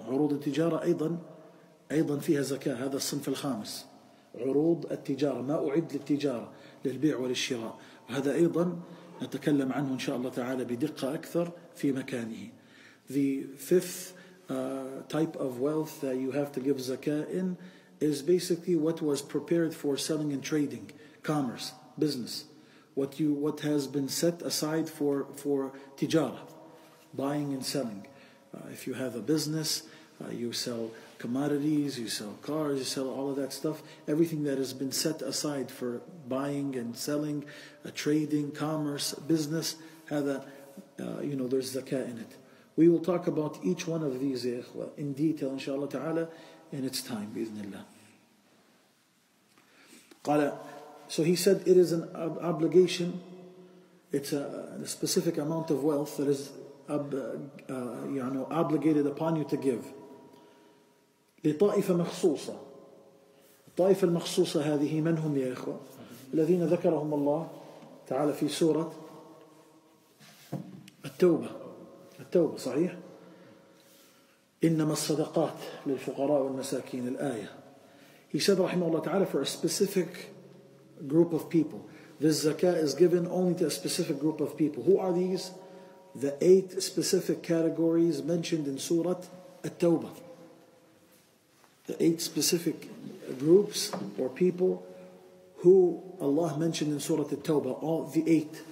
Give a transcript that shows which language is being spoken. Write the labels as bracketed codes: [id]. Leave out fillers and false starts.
[ar] عروض التجارة أيضا فيها زكاة. هذا الصنف الخامس. عروض التجارة. ما أعد للتجارة. للبيع والشراء. وهذا أيضا نتكلم عنه إن شاء الله تعالى بدقة أكثر في مكانه. [en] The fifth type of wealth that you have to give zakah in is basically what was prepared for selling and trading, commerce, business. What has been set aside for tijara, buying and selling. If you have a business, you sell commodities, you sell cars, you sell all of that stuff. Everything that has been set aside for buying and selling, trading, commerce, business, there's zakah in it. We will talk about each one of these, ya ikhwa, in detail, inshallah ta'ala, in its time, bi'ithnillah. Qala, so he said it is an obligation, it's a specific amount of wealth that is obligated upon you to give. [ar] لطائفة مخصوصة. الطائفة المخصوصة هذه من هم يا إخوة؟ الذين ذكرهم الله تعالى في سورة التوبة. التوبة صحيح؟ إنما الصدقات للفقراء والمساكين الآية. [en] He said [ar] رحمه الله تعالى [en] for a specific group of people. This zakah is given only to a specific group of people. Who are these? The eight specific categories mentioned in سورة التوبة. The eight specific groups or people who Allah mentioned in Surah At-Tawbah. All the eight.